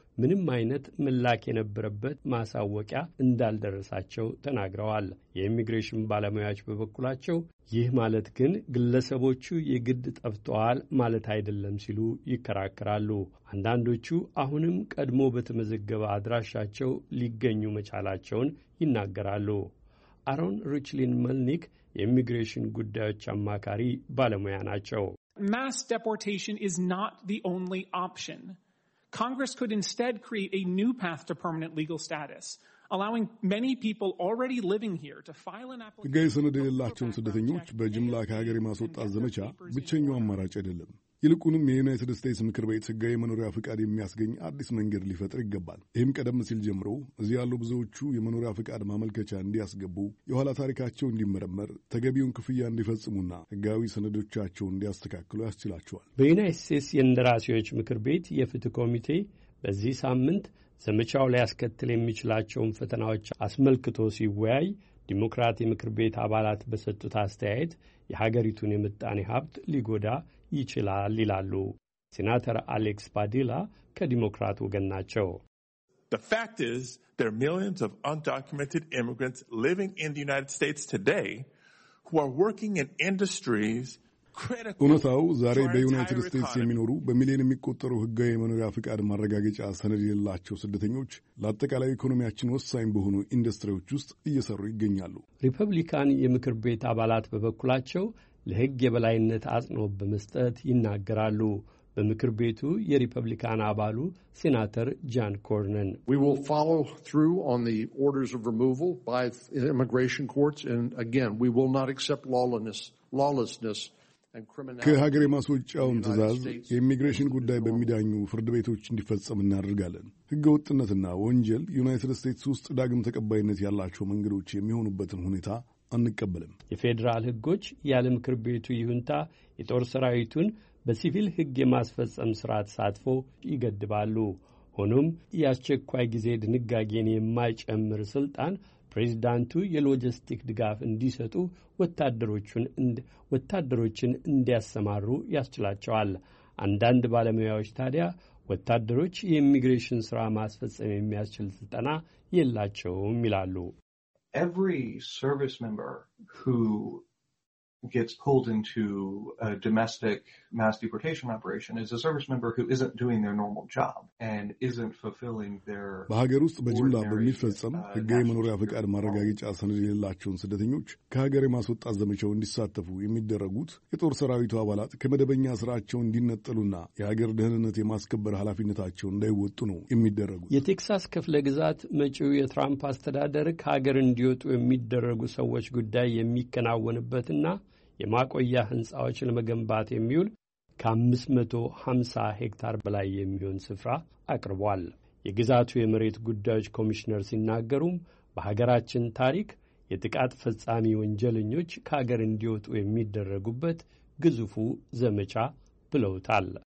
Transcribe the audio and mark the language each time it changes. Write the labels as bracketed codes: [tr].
[am] ምንም አይነት ምላክ የነበረበት ማሳወቂያ እንዳልደረሳቸው ተናግረዋል። የኢሚግሬሽን ባለሙያዎች በበኩላቸው ይህ ማለት ግን ግለሰቦቹ የግድ ጠፍተዋል ማለት አይደለም ሲሉ ይከራከራሉ። አንዳንዶቹ አሁንም ቀድሞ በተመዘገበ አድራሻቸው ሊገኙ መቻላቸውን ይናገራሉ። አሮን ሩችሊን መልኒክ የኢሚግሬሽን ጉዳዮች አማካሪ ባለሙያ ናቸው። [en] Mass deportation is not the only option. Congress could instead create a new path to permanent legal status, allowing many people already living here to file an application. [am] ገይ ሰነድ የሌላቸውን ስደተኞች በጅምላ ከሀገር የማስወጣት ዘመቻ ብቸኛው አማራጭ አይደለም። ይልቁንም የዩናይትድ ስቴትስ ምክር ቤት ሕጋዊ መኖሪያ ፍቃድ የሚያስገኝ አዲስ መንገድ ሊፈጥር ይገባል። ይህም ቀደም ሲል ጀምሮ እዚህ ያሉ ብዙዎቹ የመኖሪያ ፍቃድ ማመልከቻ እንዲያስገቡ፣ የኋላ ታሪካቸው እንዲመረመር፣ ተገቢውን ክፍያ እንዲፈጽሙና ሕጋዊ ሰነዶቻቸውን እንዲያስተካክሉ ያስችላቸዋል። በዩናይትድ ስቴትስ የእንደራሴዎች ምክር ቤት የፍትህ ኮሚቴ በዚህ ሳምንት ዘመቻው ሊያስከትል የሚችላቸውን ፈተናዎች አስመልክቶ ሲወያይ ዲሞክራት የምክር ቤት አባላት በሰጡት አስተያየት የሀገሪቱን የምጣኔ ሀብት ሊጎዳ ይችላል ይላሉ። ሴናተር አሌክስ ባዲላ ከዲሞክራት ወገን ናቸው። [en] The fact is, there are millions of undocumented immigrants living in the United States today who are working in industries [am] ኡነታው ዛሬ በዩናይትድ ስቴትስ የሚኖሩ በሚሊዮን የሚቆጠሩ ህጋዊ መኖሪያ ፍቃድ ማረጋገጫ ሰነድ የሌላቸው ስደተኞች ለአጠቃላይ ኢኮኖሚያችን ወሳኝ በሆኑ ኢንዱስትሪዎች ውስጥ እየሰሩ ይገኛሉ። ሪፐብሊካን የምክር ቤት አባላት በበኩላቸው ለህግ የበላይነት አጽንኦት በመስጠት ይናገራሉ። በምክር ቤቱ የሪፐብሊካን አባሉ ሴናተር ጃን ኮርነን [en] We will follow through on the orders of removal by immigration courts and again we will not accept lawlessness [am] ከሀገር የማስወጫውን ትዕዛዝ የኢሚግሬሽን ጉዳይ በሚዳኙ ፍርድ ቤቶች እንዲፈጸም እናደርጋለን። ህገ ወጥነትና ወንጀል ዩናይትድ ስቴትስ ውስጥ ዳግም ተቀባይነት ያላቸው መንገዶች የሚሆኑበትን ሁኔታ አንቀበልም። የፌዴራል ህጎች ያለ ምክር ቤቱ ይሁንታ የጦር ሰራዊቱን በሲቪል ህግ የማስፈጸም ስርዓት ሳትፎ ይገድባሉ። ሆኖም የአስቸኳይ ጊዜ ድንጋጌን የማይጨምር ስልጣን ፕሬዚዳንቱ የሎጂስቲክ ድጋፍ እንዲሰጡ ወታደሮችን እንዲያሰማሩ ያስችላቸዋል። አንዳንድ ባለሙያዎች ታዲያ ወታደሮች የኢሚግሬሽን ስራ ማስፈጸም የሚያስችል ስልጠና የላቸውም ይላሉ። [en] Every service member who gets pulled into a domestic mass deportation operation is a service member who isn't doing their normal job and isn't fulfilling their [am] በሀገር ውስጥ በጅምላ በሚፈጸም ህጋዊ መኖሪያ ፍቃድ ማረጋገጫ ሰነድ የሌላቸውን ስደተኞች ከሀገር የማስወጣት ዘመቻው እንዲሳተፉ የሚደረጉት የጦር ሰራዊቱ አባላት ከመደበኛ ስራቸው እንዲነጠሉና የሀገር ደህንነት የማስከበር ኃላፊነታቸው እንዳይወጡ ነው የሚደረጉት። የቴክሳስ ክፍለ ግዛት መጪው የትራምፕ አስተዳደር ከሀገር እንዲወጡ የሚደረጉ ሰዎች ጉዳይ የሚከናወንበትና የማቆያ ህንጻዎችን ለመገንባት የሚውል ከ550 ሄክታር በላይ የሚሆን ስፍራ አቅርቧል። የግዛቱ የመሬት ጉዳዮች ኮሚሽነር ሲናገሩም በሀገራችን ታሪክ የጥቃት ፈጻሚ ወንጀለኞች ከሀገር እንዲወጡ የሚደረጉበት ግዙፉ ዘመቻ ብለውታል።